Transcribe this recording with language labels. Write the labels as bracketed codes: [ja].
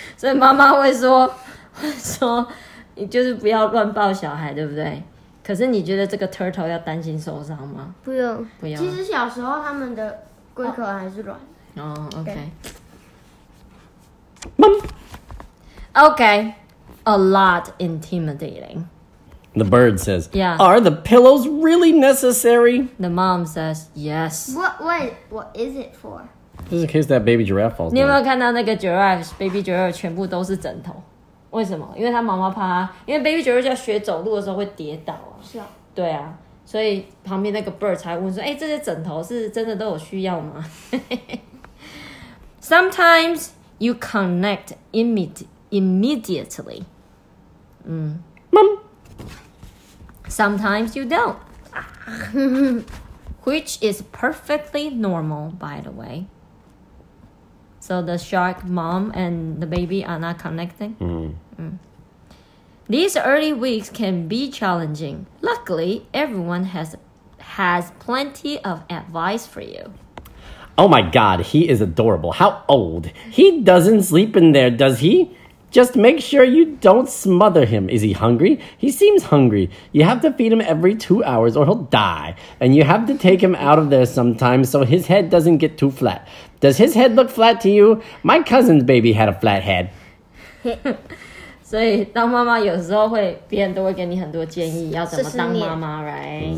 [en] So, Mama would say, [zh] 你就是不要乱抱小孩，对不对？可是你觉得这个 turtle 要担心受伤吗？不用，不要。其实小时候他们的龟壳还是软的。 [en] OK。 Mom。 Okay, a lot intimidating. The bird says, "Yeah." Are the pillows really necessary? The mom says, "Yes." What is it for? Just in case that baby giraffe falls. [zh] 你有没有看到那个 giraffe baby giraffe 全部都是枕头？为什么？因为他妈妈怕他，因为 baby giraffe 要学走路的时候会跌倒啊。是啊。对啊，所以旁边那个 bird 才问说：“哎，这些枕头是真的都有需要吗？” [en] Sometimes you connect immediately. Mom. Sometimes you don't. Which is perfectly normal, by the way. So the shark mom and the baby are not connecting. Mm. These early weeks can be challenging. Luckily, everyone has plenty of advice for you. Oh my god, he is adorable. How old? He doesn't sleep in there, does he? Just make sure you don't smother him. Is he hungry? He seems hungry. You have to feed him every 2 hours or he'll die. And you have to take him out of there sometimes so his head doesn't get too flat. Does his head look flat to you? My cousin's baby had a flat head. [zh] 所以当妈妈有时候会，别人都会给你很多建议，要怎么当妈妈 ，right？